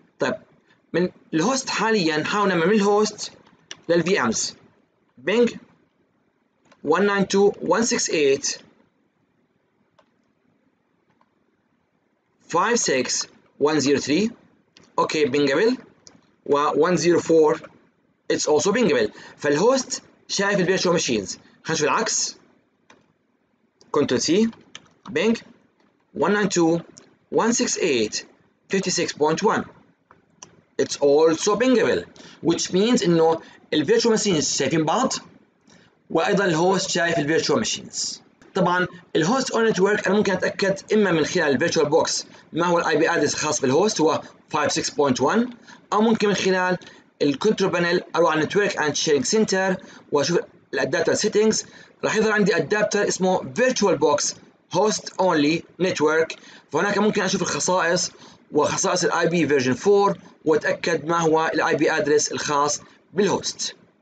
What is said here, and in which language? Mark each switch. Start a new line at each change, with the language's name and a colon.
Arabic: طيب من الهوست حاليا نحاول نعمل من الهوست للفي امز بينج 192.168.56.103.
English: Okay pingable. و 104 it's also bingable.
Arabic: فالهوست شايف الفيرتشوال ماشينز. خلينا نشوف العكس.
English: Ctrl C Bing 192.168.56.1 It's also bingable, which means
Arabic: إنه ال virtual machines شايفين بعض وأيضا ال host شايف ال virtual machines. طبعا ال host on network أنا ممكن أتأكد إما من خلال ال virtual box ما هو ال IP address الخاص بال host هو 56.1، أو ممكن من خلال ال control panel أروح على network and sharing center وأشوف ال data settings. راح يظهر عندي ادابتر اسمه فيرتشوال بوكس هوست اونلي نتورك، فهناك ممكن اشوف الخصائص وخصائص الاي بي فيرجن 4 واتاكد ما هو الاي بي ادرس الخاص بالهوست.